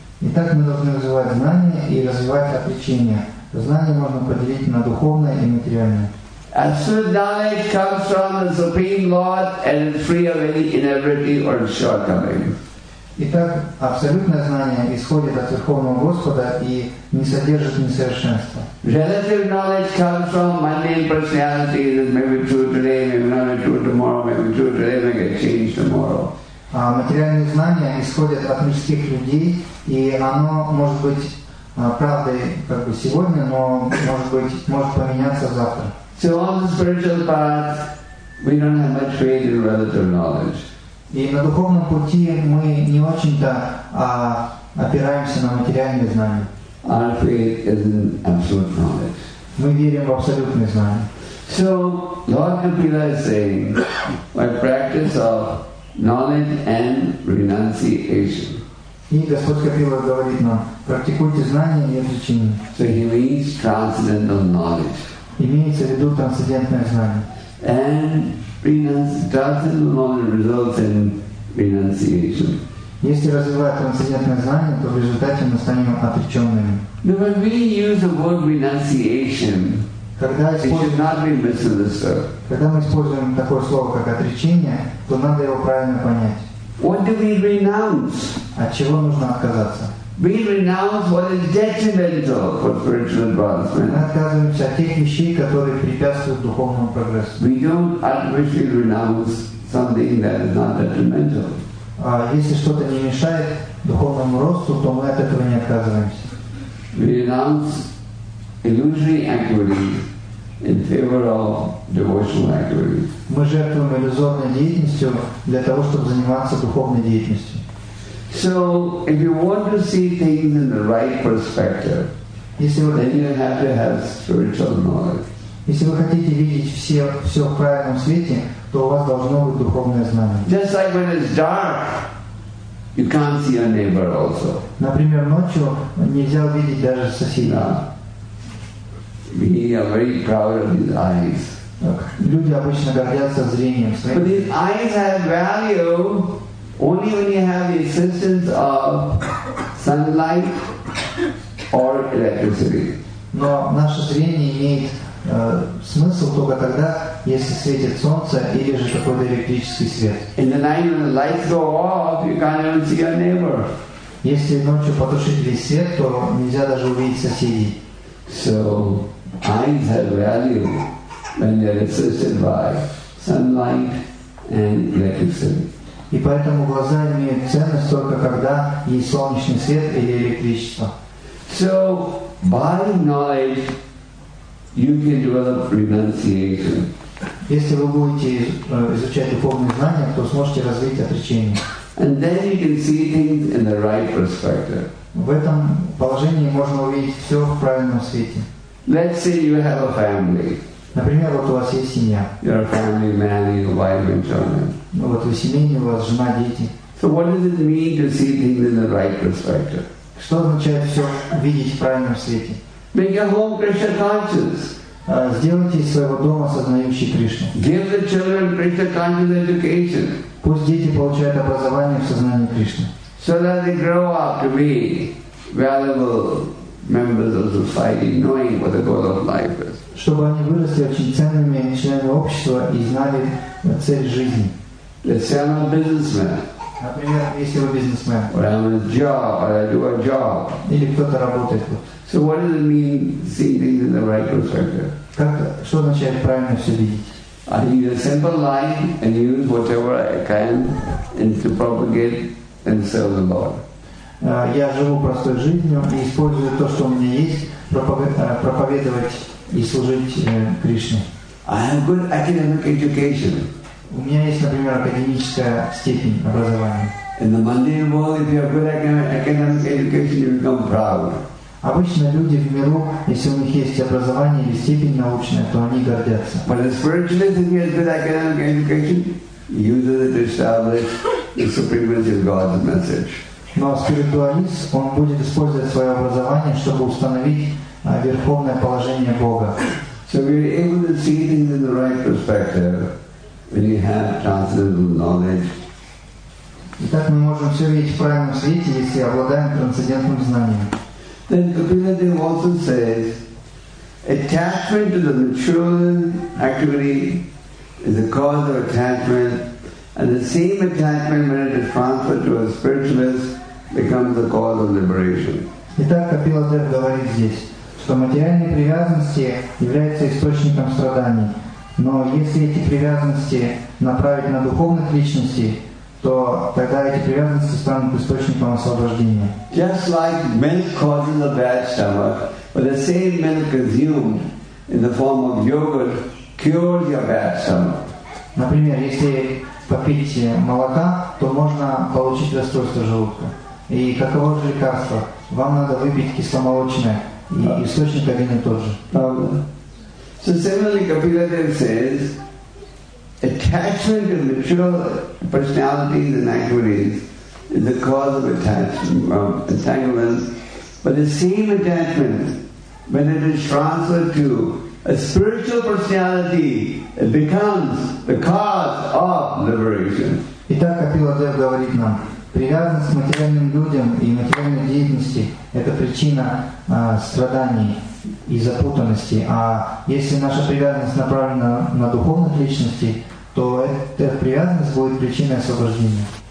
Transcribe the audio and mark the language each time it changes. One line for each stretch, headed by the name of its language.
Russian: Итак, мы должны развивать знания и развивать отречение. Знание можно поделить на духовное и материальное.
English: Absolute knowledge comes from the Supreme Lord and is free of any inability or shortcoming.
Russian: Итак, абсолютное знание исходит от Верховного Господа и не содержит несовершенства.
English: Relative knowledge comes from mundane personality that may be true today, may not be true tomorrow, may be true today, may get changed tomorrow.
Russian: А материальные знания исходят от мирских людей, и оно может быть правдой как бы сегодня, но может поменяться завтра.
English: So on the spiritual path, we don't have much faith in relative knowledge.
Russian: И на духовном пути мы не очень-то опираемся на материальные знания.
English: Our faith is in absolute knowledge.
Russian: Мы верим в абсолютные знания.
English: So Lord Kapila is saying, my practice of knowledge and renunciation. So he means transcendental knowledge. And transcendental knowledge results in renunciation.
Russian: Если развивать трансцендентное знание, то в результате мы станем отреченными. Но
English: when we use the word renunciation, it should not be misunderstood.
Russian: Когда мы используем такое слово, как отречение, то надо его правильно понять.
English: What do we renounce?
Russian: От чего нужно отказаться?
English: We renounce what is detrimental for spiritual advancement.
Russian: Мы отказываемся от тех вещей, которые препятствуют духовному прогрессу.
English: We don't artificially renounce something that is not detrimental.
Russian: А если что-то не мешает духовному росту, то мы от этого не отказываемся.
English: We renounce illusory activities in favor of devotional activities.
Russian: Мы жертвуем иллюзорной деятельностью для того, чтобы заниматься духовной деятельностью.
English: So, if you want to see things in the right perspective, then you have to have spiritual knowledge.
Russian: Если вы хотите видеть все в правильном свете, то у вас должно быть духовное знание.
English: Just like when it's dark, you can't see your neighbor also.
Russian: Например, ночью нельзя увидеть даже соседа.
English: We are very proud of these eyes.
Russian: Люди обычно гордятся зрением.
English: But these eyes have value only when you have the assistance of sunlight or electricity.
Russian: Но наше зрение имеет смысл только тогда, если светит солнце или же какой-то электрический свет.
English: In the night when the lights go off, you can't even see your neighbor.
Russian: Если ночью потушить весь свет, то нельзя даже увидеть соседей.
English: So eyes have value when they are assisted by sunlight and electricity.
Russian: И поэтому глаза имеют ценность только когда есть солнечный свет или электричество.
English: So by knowledge you can develop renunciation.
Russian: Если вы будете изучать духовные знания, то сможете развить отречение.
English: And then you can see things in the right perspective.
Russian: В этом положении можно увидеть все в правильном свете.
English: Let's say you have a family.
Russian: Например, вот у вас есть семья.
English: You're a family man, your wife and children.
Russian: Ну вот вы семейный, у вас жена, дети.
English: So what does it mean to see things in the right perspective?
Russian: Что означает все видеть в правильном свете?
English: Make your home Krishna conscious.
Russian: Сделайте из своего дома сознающий Кришну.
English: Give the children Krishna conscious education.
Russian: Пусть дети получают образование в сознании Кришны.
English: So that they grow up to be valuable members of society, knowing what the goal of life is.
Russian: Чтобы они выросли очень ценными членами общества и знали цель жизни.
English: Let's say I'm a businessman.
Russian: Например, если вы бизнесмен.
English: Or I'm a job, or I do a job.
Russian: Или кто-то работает.
English: So what does it mean seeing things in the right perspective?
Russian: Что означает правильно все видеть?
English: I use a simple light and use whatever I can and to propagate and serve the Lord.
Russian: Я живу простой жизнью и использую то, что у меня есть, проповедовать и служить Кришне.
English: I have good academic education.
Russian: У меня есть, например, академическая степень образования.
English: In the mundane world, if you have good academic education, you become proud.
Russian: Обычно люди в миру, если у них есть образование или степень научная, то они гордятся.
English: But the spiritualist, if he has good academic education, uses it to establish the supremacy of God's message.
Russian: Но спиритуалист, он будет использовать свое образование, чтобы установить верховное положение Бога.
English: So we are able to see things in the right perspective when you have transcendental knowledge.
Russian: Итак, мы можем все видеть в правильном свете, если обладаем трансцендентным знанием.
English: Then Kapila Dev also says, attachment to the material activity is the cause of attachment, and the same attachment when it is transferred to a spiritualist becomes the cause of liberation.
Russian: Итак, Kapila Dev говорит здесь, что материальные привязанности являются источником страданий, но если эти привязанности направить на духовных личностей, то тогда эти привязанности станут источником освобождения.
English: Just like milk causes a bad stomach, but the same milk consumed in the form of yogurt cures your bad stomach.
Russian: Например, если попить молока, то можно получить расстройство желудка. И каково же лекарство? Вам надо выпить кисломолочное, и источник один и тот же. Правда?
English: So similarly, Kapila Dev says, attachment to material personalities and activities is the cause of entanglement. But the same attachment, when it is transferred to a spiritual personality, it becomes the cause of liberation.
Russian: Итак, Капила Дев говорит нам, привязанность к материальным людям и материальной деятельности – это причина страданий и запутанности. А если наша привязанность направлена на духовность личности, то эта привязанность будет причиной освобождения.